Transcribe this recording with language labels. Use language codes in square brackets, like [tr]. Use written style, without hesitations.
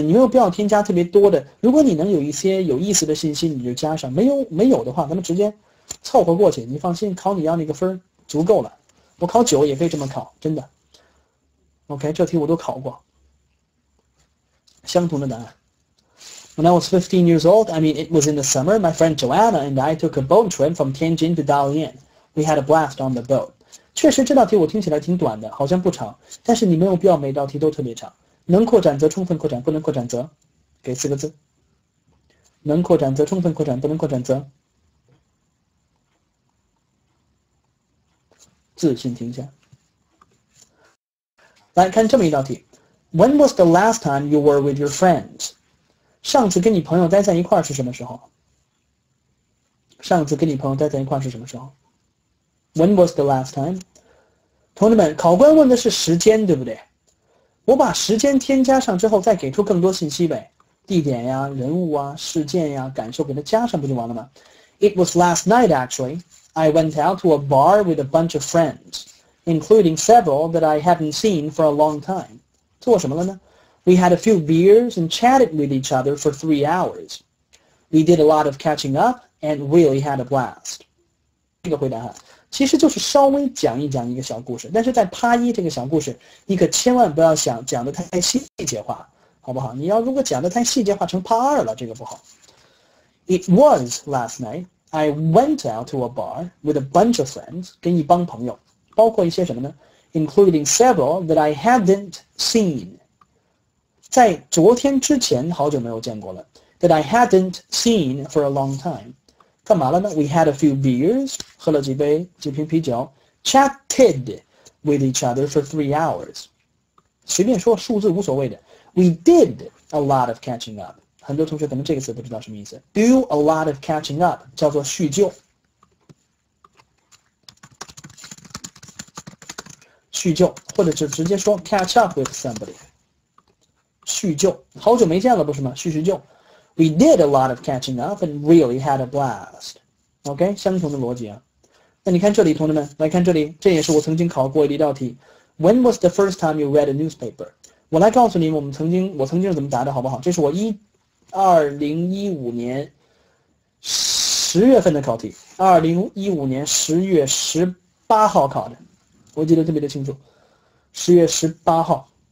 [zh] 你没有必要添加特别多的。如果你能有一些有意思的信息，你就加上；没有的话，咱们直接凑合过去。你放心，考你要那个分足够了。我考九也可以这么考，真的。 OK， 这题我都考过，相同的答案。 [en] When I was 15 years old, I mean, it was in the summer, my friend Joanna and I took a boat trip from Tianjin to Dalian. We had a blast on the boat. [zh] 确实这道题我听起来挺短的，好像不长，但是你没有必要每道题都特别长。能扩展则充分扩展，不能扩展则，给四个字。能扩展则充分扩展，不能扩展则。自信停下。来看这么一道题。 [en] When was the last time you were with your friends? [zh] 上次跟你朋友待在一块是什么时候？上次跟你朋友待在一块是什么时候 ？ [en] When was the last time？ [zh] 同志们，考官问的是时间，对不对？我把时间添加上之后，再给出更多信息呗，地点呀、人物啊、事件呀、感受，给它加上不就完了吗 ？ [en] It was last night, actually. I went out to a bar with a bunch of friends, including several that I haven't seen for a long time. [zh] 做什么了呢？ [en] We had a few beers and chatted with each other for 3 hours. We did a lot of catching up and really had a blast. [zh] 这个回答哈，其实就是稍微讲一讲一个小故事，但是在趴一这个小故事，你可千万不要想讲得太细节化，好不好？你要如果讲得太细节化成趴二了，这个不好。 [en] It was last night. I went out to a bar with a bunch of friends, [zh] 跟一帮朋友，包括一些什么呢？ [en] Including several that I hadn't seen. [zh] 在昨天之前好久没有见过了 [en] that I hadn't seen for a long time. [zh] 干嘛了呢 [en] ?We had a few beers, [zh] 喝了几瓶啤酒 [en] chatted with each other for 3 hours. [zh] 随便说数字无所谓的。 [en] We did a lot of catching up. [zh] 很多同学可能这个词不知道什么意思。 [en] Do a lot of catching up, [zh] 叫做叙旧。叙旧或者是直接说 [en] catch up with somebody. [zh] 叙旧，好久没见了，不是吗？叙叙旧。 [en] We did a lot of catching up and really had a blast. [zh] OK， 相同的逻辑啊。那你看这里，同志们，来看这里，这也是我曾经考过的一道题。 [en] When was the first time you read a newspaper？ [zh] 我来告诉你，我曾经是怎么答的，好不好？这是我2015年十月份的考题，2015年10月18号考的，我记得特别的清楚，10月18号。